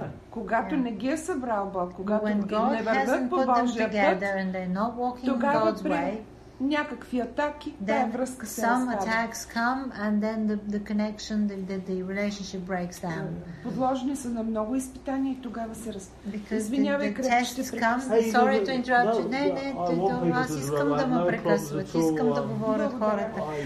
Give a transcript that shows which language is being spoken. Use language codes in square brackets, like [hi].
[bg] Когато не ги е събрал Бог, когато не вървят по Божия път, тогава някакви атаки, тая връзка се [en] разпада. Some attacks come and then the connection, the relationship breaks down. [bg] Подложени са на много изпитания и тогава се разпада. Извинявай, Крек, ще [en] прекъсвам. Sorry to interrupt you. [bg] Аз искам да ме прекъсват. Искам да говорят хората.